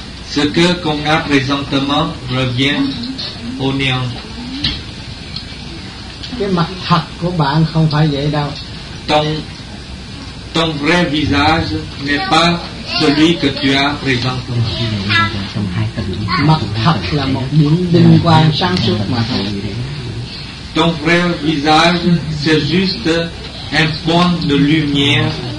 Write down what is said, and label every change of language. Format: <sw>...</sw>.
<fr>Ce que qu'on a présentement revient au néant.</fr> <vi>Cái mặt thật của bạn không phải vậy đâu.</vi> <fr>Ton vrai visage n'est pas celui que tu as présentement.</fr> <vi>Mặt thật là một điểm vinh quang sáng suốt mà thôi.</vi> <fr>Ton vrai visage, c'est juste un point de lumière.</fr>